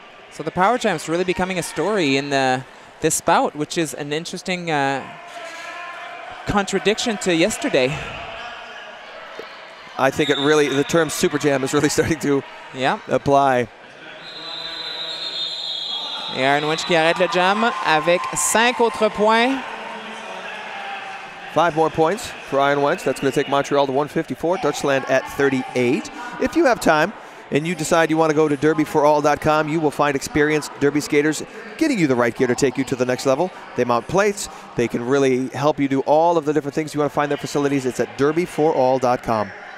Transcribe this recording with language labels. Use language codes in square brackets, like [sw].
[en] So the power jam is really becoming a story in this bout, which is an interesting contradiction to yesterday. I think it really, the term super jam is really starting to apply. [fr] Et Iron Wench qui arrête le jam avec 5 autres points. [en] 5 more points for Iron Wench. That's going to take Montreal to 154, Dutchland at 38. If you have time and you decide you want to go to derbyforall.com, you will find experienced derby skaters getting you the right gear to take you to the next level. They mount plates. They can really help you do all of the different things. You want to find their facilities. It's at derbyforall.com.